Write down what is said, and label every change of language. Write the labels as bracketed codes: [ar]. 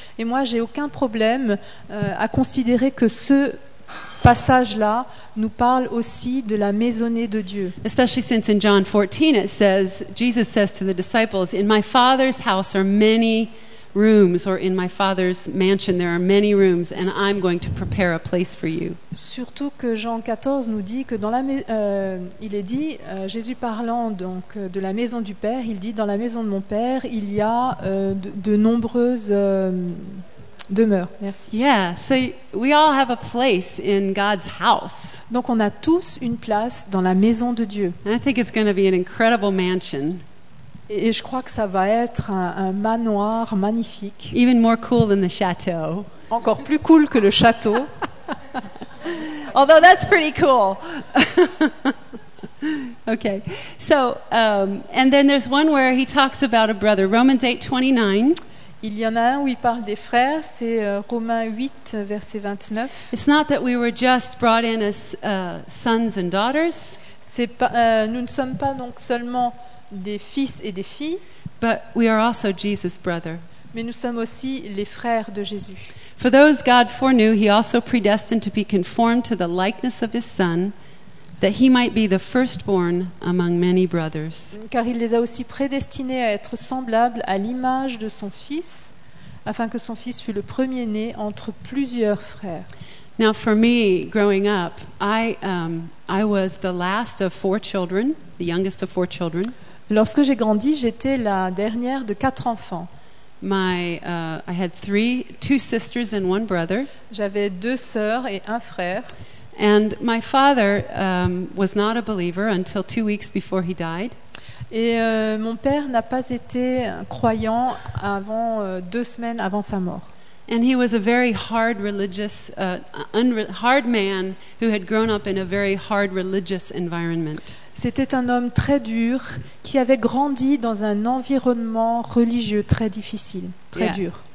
[fr] Et moi, j'ai aucun problème à considérer que ce passage là nous parle aussi de la maisonnée de Dieu. [en] Especially since in John 14 it says Jesus says to the disciples, in my Father's house are many rooms, or in my Father's mansion there are many rooms, and I'm going to prepare a place for you. [fr] Surtout que Jean 14 nous dit que dans la il est dit Jésus parlant donc de la maison du Père, il dit dans la maison de mon Père il y a de nombreuses demeure. Merci. [en] Yeah, so we all have a place in God's house. [fr] Donc on a tous une place dans la maison de Dieu. [en] And I think it's going to be an incredible mansion. [fr] Et je crois que ça va être un manoir magnifique. [en] Even more cool than the château. [fr] Encore plus cool que le château. [en] Although that's pretty cool. Okay. So, and then there's one where he talks about a brother. Romans 8:29. [fr] Il y en a un où il parle des frères, c'est Romains 8:29. [en] It's not that we were just brought in as sons and daughters. [fr] C'est pas, nous ne sommes pas donc seulement des fils et des filles. [en] But we are also Jesus' brother. [fr] Mais nous sommes aussi les frères de Jésus. [en] For those God foreknew, he also predestined to be conformed to the likeness of his son, that he might be the firstborn among many brothers. [fr] Car il les a aussi prédestinés à être semblables à l'image de son fils, afin que son fils fût le premier-né entre plusieurs frères. [en] Now for me, growing up, I was the last of four children, the youngest of four children. [fr] Lorsque j'ai grandi, j'étais la dernière de quatre enfants. [en] I had two sisters and one brother. [fr] J'avais deux sœurs et un frère. [en] And my father was not a believer until 2 weeks before he died. [fr] Et mon père n'a pas été croyant avant 2 semaines avant sa mort. [en] And he was a very hard religious hard man who had grown up in a very hard religious environment. [fr] C'était un homme très dur qui avait grandi dans un environnement religieux très difficile, très dur.